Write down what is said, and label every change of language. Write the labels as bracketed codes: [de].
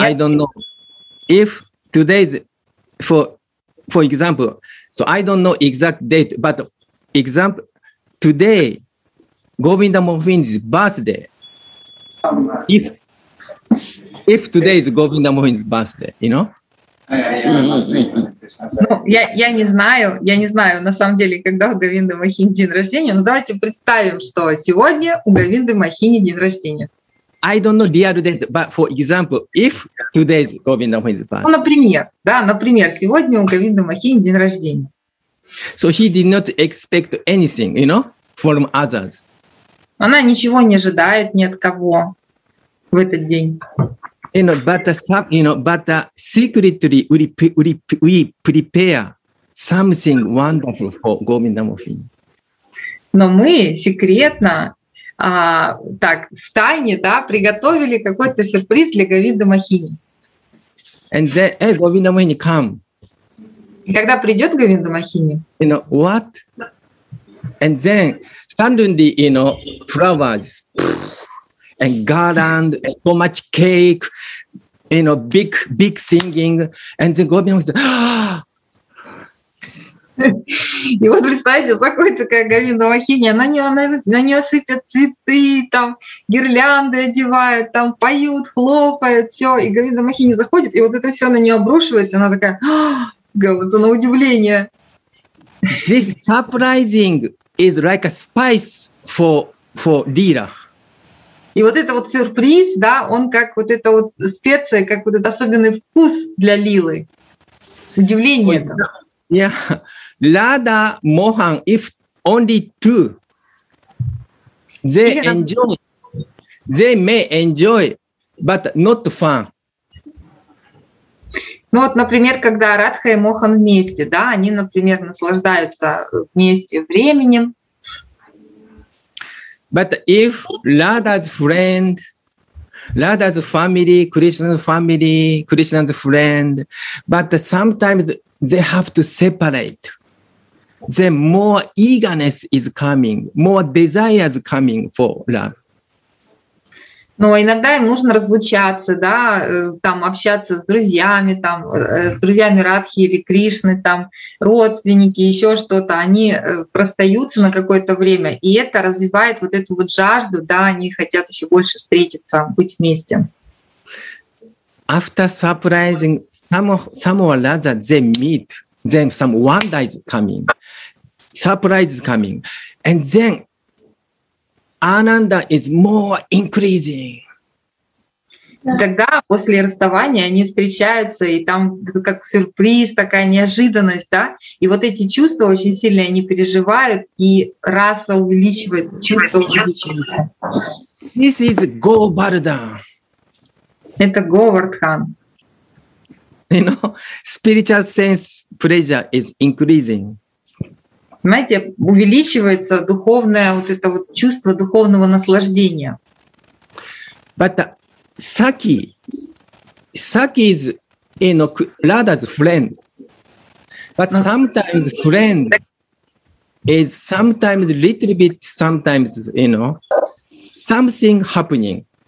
[en] I don't know if today's for example, so I don't know exact date, but example, today Govinda Mohan's birthday. If today is Govinda Mohan's birthday, you know? [ru] Ну, я не знаю, на самом деле, когда у Говинды Махини день рождения, но давайте представим, что сегодня у Говинды Махини день рождения. [en] I don't know the other date, but for example, if today is Govinda Mohan's birthday. [ru] Ну, например, сегодня у Говинды Махини день рождения. [en] So he did not expect anything, you know, from others. [ru] Она ничего не ожидает ни от кого в этот день. [en] You know, but secretly we prepare something wonderful for Govinda Mohan. [ru] Но мы секретно, так в тайне, да, приготовили какой-то сюрприз для Говинды Махини. [en] And then, Govinda Mohan come. [ru] Когда придет Говинда Махини? [en] You know what? And then suddenly, you know, flowers. And garland, and so much cake, you know, big, big singing, and then Govinda was like, [ru] И вот представьте, заходит такая Говинда Махини, на нее сыпят цветы, там гирлянды одевают, там поют, хлопают, все, и Говинда Махини заходит, и вот это все на нее обрушивается, она такая, говорит, на удивление. [en] This surprising is like a spice for Lila. [ru] И вот это вот сюрприз, да, он как вот эта вот специя, как вот этот особенный вкус для Лилы. Удивление это. [en] Yeah. Radha Mohan, if only two, they enjoy, they may enjoy but not fun. [ru] Ну вот, например, когда Радха и Мохан вместе, да, они, например, наслаждаются вместе временем. [en] But if Radha's friend, Radha's family, Krishna's family, Krishna's friend, but sometimes they have to separate, then more eagerness is coming, more desire is coming for love. [ru] Но иногда им нужно разлучаться, да, там общаться с друзьями, там, с друзьями Радхи или Кришны, там, родственники, еще что-то. Они расстаются на какое-то время, и это развивает вот эту вот жажду, да, они хотят еще больше встретиться, быть вместе. [en] After surprising someone Radha, they meet, then some wonder is coming, surprise is coming, and then Ananda is more increasing. [ru] Тогда после расставания они встречаются, и там как сюрприз, такая неожиданность, да? И вот эти чувства очень сильно они переживают, и раса увеличивается, чувство увеличивается. [en] This is Govardhan. [ru] Это Govardhan. [en] You know, spiritual sense pleasure is increasing. [ru] Знаете, увеличивается духовное вот это вот чувство духовного наслаждения. [en] But Saki, Saki is, you know, Radha's friend. But sometimes friend is sometimes little bit, sometimes, you know, something happening.